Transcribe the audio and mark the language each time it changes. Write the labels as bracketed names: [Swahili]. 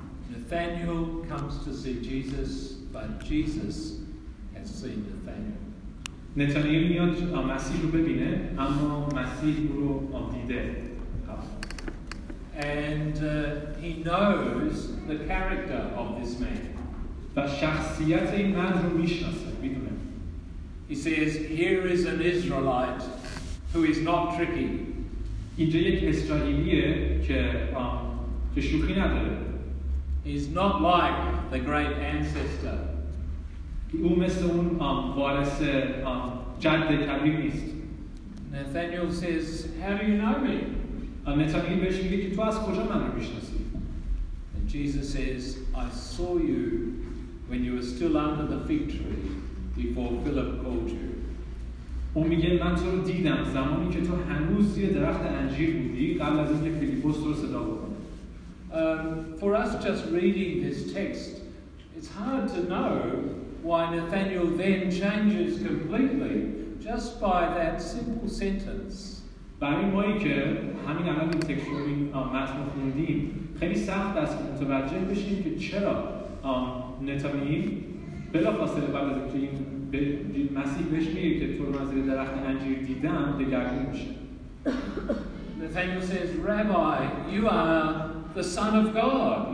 [English] Nathanael comes to see Jesus, but Jesus has seen Nathanael. [Persian] نتانیل میاد مسیح رو ببینه، اما مسیح رو دیده. [English] And he knows the character of this man. [Persian] و شخصیت این مرد رو میشناسه، میدونه. [English] He says, "Here is an Israelite who is not tricky." [Persian] اینجا یک اسرائیلیه که شوخی نداره. [English] He's not like the great ancestor. [Persian] او مثل اون وارث جد کبیر نیست. [English] Nathanael says, "How do you know me?" [Persian] نتانیل بهش میگه که تو از کجا منو میشناسی؟ [English] And Jesus says, "I saw you when you were still under the fig tree before Philip called you." [Persian] اون میگه من تو رو دیدم زمانی که تو هنوز زیر درخت انجیر بودی قبل از اینکه فیلیپوس تو رو صدا بکنه. [English] For us just reading this text, it's hard to know why Nathanael then changes completely just by that simple sentence. [Persian] برای ما که همین الان این تکشور این متن رو خوندیم خیلی سخت است که متوجه بشیم که چرا نتانیل بلافاصله بعد از اینکه این مسیح بهش میگه که تو رو از زیر درخت انجیر دیدم دگرگون میشه. [English] Nathanael says, Rabbi, you are the son of God.